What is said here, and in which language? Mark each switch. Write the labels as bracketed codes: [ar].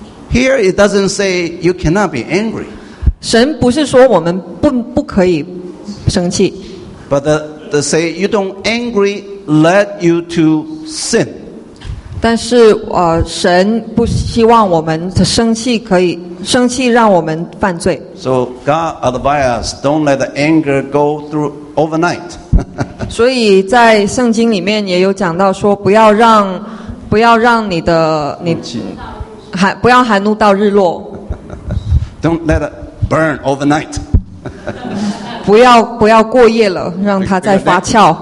[en] Here it doesn't say you cannot be angry. [zh] 神不是说我们不可以生气。 [en] But the say you don't angry led you to sin. [zh] 但是神不希望我们生气让我们犯罪。 [en] So God advised us don't let the anger go through overnight. [zh] 所以在圣经里面也有讲到说不要让你的不要含怒到日落。 [en] Don't let it burn overnight. [zh] 不要过夜了，让它再发酵。